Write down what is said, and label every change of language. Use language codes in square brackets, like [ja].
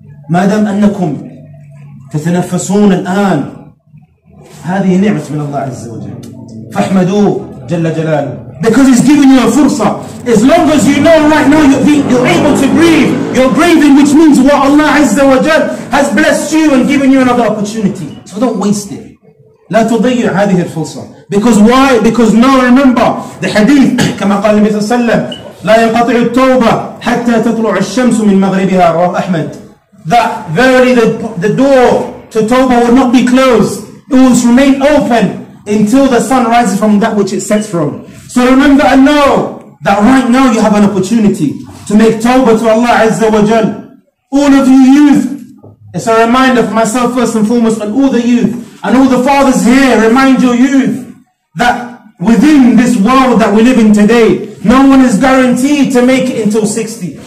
[ar] مَادَمْ أَنَّكُمْ تَتَنَفَّسُونَ الْآنِ هَذِهِ نِعْمَةٌ مِنَ اللَّهِ عَزَّ وَجَلَّ فَأَحْمَدُوهُ جَلَّ جَلَالُهُ. [en] Because he's giving you a fursa. As long as you know right now you're able to breathe, you're breathing, which means what Allah Azza wa Jal has blessed you and given you another opportunity. So don't waste it. [ar] لا تضيع هذه الفرصة. [en] Because why? Because now remember the hadith [ar] كما قال النبي صلى الله عليه وسلم لا ينقطع التوبة حتى تطلع الشمس من مغربها رواه أحمد. [en] That verily the door to Tawbah will not be closed. It will remain open until the sun rises from that which it sets from. So remember and know that right now you have an opportunity to make Tawbah to Allah Azza wa Jal. All of you youth, it's a reminder for myself first and foremost, and all the youth and all the fathers here, remind your youth that within this world that we live in today, no one is guaranteed to make it until 60.